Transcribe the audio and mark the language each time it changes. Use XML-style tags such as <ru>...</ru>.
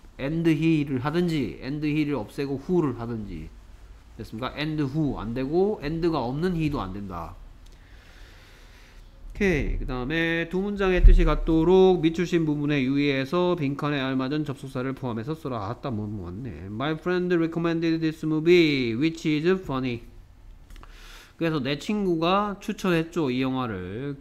<ko>and he를 하든지 and he를 없애고 who를 하든지. 됐습니까? and who 안 되고 and가 없는 he도 안 된다. 그 다음에 두 문장의 뜻이 같도록 미추신 부분에 유의해서 빈칸에 알맞은 접속사를 포함해서 써라. 아따 뭐 왔네.</ko> <en>My friend recommended this movie which is funny.</en> <ko>그래서 내 친구가 추천했죠 이 영화를.</ko>